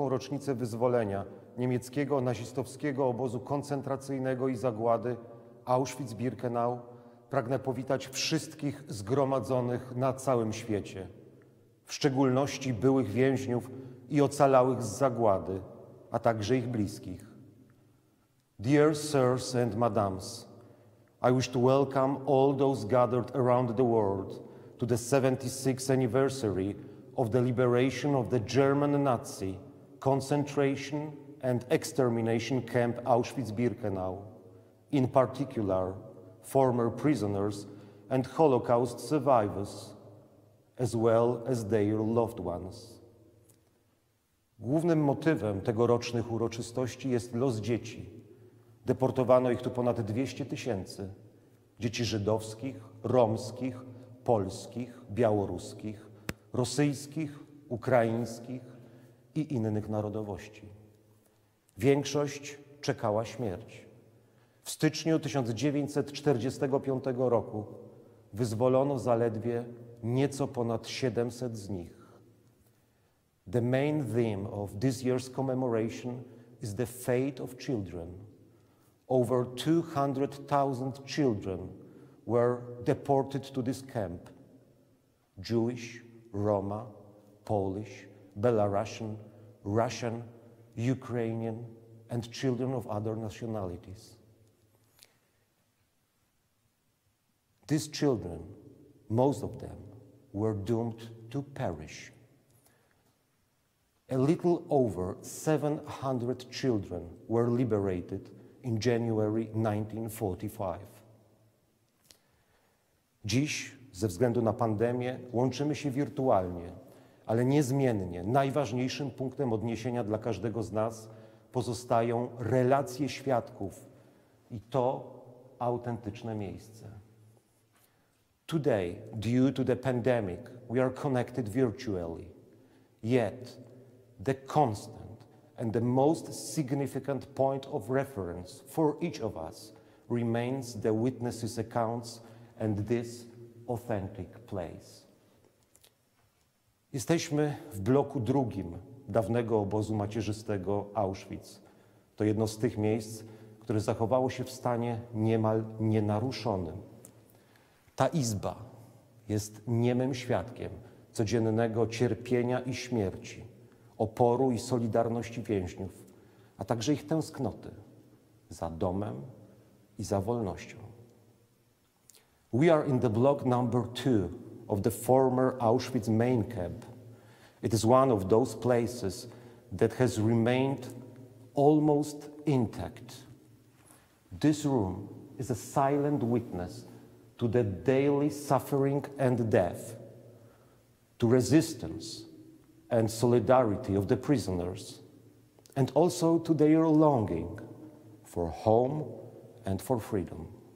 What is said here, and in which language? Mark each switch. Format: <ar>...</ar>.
<pl>rocznicę wyzwolenia niemieckiego nazistowskiego obozu koncentracyjnego i zagłady Auschwitz-Birkenau pragnę powitać wszystkich zgromadzonych na całym świecie, w szczególności byłych więźniów i ocalałych z zagłady, a także ich bliskich.</pl> <en>Dear sirs and madams, I wish to welcome all those gathered around the world to the 76th anniversary of the liberation of the German Nazi concentration and extermination camp Auschwitz-Birkenau, in particular former prisoners and Holocaust survivors, as well as their loved ones.</en> <pl>Głównym motywem tegorocznych uroczystości jest los dzieci. Deportowano ich tu ponad 200 tysięcy. Dzieci żydowskich, romskich, polskich, białoruskich, rosyjskich, ukraińskich i innych narodowości. Większość czekała śmierć. W styczniu 1945 roku wyzwolono zaledwie nieco ponad 700 z nich.</pl> <en>The main theme of this year's commemoration is the fate of children. Over 200,000 children were deported to this camp. Jewish, Roma, Polish, Belarusian, Russian, Ukrainian, and children of other nationalities. These children, most of them, were doomed to perish. A little over 700 children were liberated in January 1945.</en> <pl>Dziś, ze względu na pandemię, łączymy się wirtualnie, ale niezmiennie najważniejszym punktem odniesienia dla każdego z nas pozostają relacje świadków i to autentyczne miejsce.</pl> <en>Today, due to the pandemic, we are connected virtually. Yet, the constant and the most significant point of reference for each of us remains the witnesses' accounts and this authentic place.</en> <pl>Jesteśmy w bloku drugim dawnego obozu macierzystego Auschwitz. To jedno z tych miejsc, które zachowało się w stanie niemal nienaruszonym. Ta izba jest niemym świadkiem codziennego cierpienia i śmierci, oporu i solidarności więźniów, a także ich tęsknoty za domem i za wolnością.</pl> <en>We are in the block number two of the former Auschwitz main camp. It is one of those places that has remained almost intact. This room is a silent witness to the daily suffering and death, to resistance and solidarity of the prisoners, and also to their longing for home and for freedom.</en>